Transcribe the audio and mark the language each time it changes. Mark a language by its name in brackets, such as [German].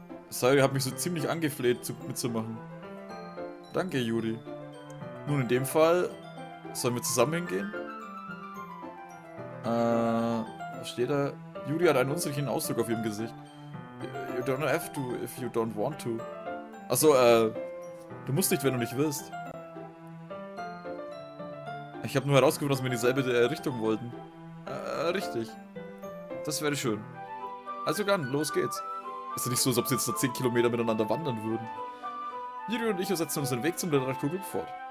[German] Sayori hat mich so ziemlich angefleht, mitzumachen. Danke, Juri. Nun, in dem Fall, sollen wir zusammen hingehen? Was steht da? Juri hat einen unsicheren Ausdruck auf ihrem Gesicht. [English] You don't have to, if you don't want to. [German] Achso, du musst nicht, wenn du nicht willst. Ich habe nur herausgefunden, dass wir in dieselbe Richtung wollten. Richtig. Das wäre schön. Also dann, los geht's. Ist ja nicht so, als ob sie jetzt noch 10 Kilometer miteinander wandern würden. Juri und ich ersetzen unseren Weg zum Literaturclub fort.